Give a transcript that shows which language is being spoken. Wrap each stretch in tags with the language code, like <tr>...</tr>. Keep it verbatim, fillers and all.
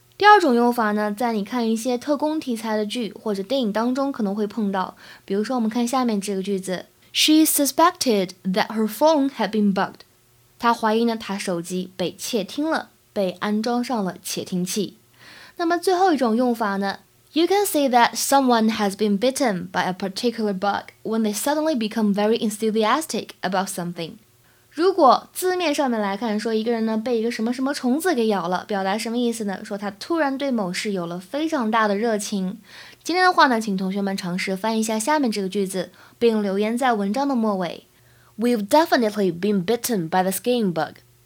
<zh>第二种用法呢，在你看一些特工题材的剧或者电影当中可能会碰到，比如说我们看下面这个句子</zh> <en>She suspected that her phone had been bugged.</en> <zh>他怀疑呢，他手机被窃听了，被安装上了窃听器。那么最后一种用法呢</zh> <en>，You can say that someone has been bitten by a particular bug when they suddenly become very enthusiastic about something.</en> <zh>如果字面上面来看，说一个人呢被一个什么什么虫子给咬了，表达什么意思呢？说他突然对某事有了非常大的热情。今天的话呢，请同学们尝试翻译一下下面这个句子，并留言在文章的末尾。</zh> <en>We've definitely been bitten by the skiing bug.</en>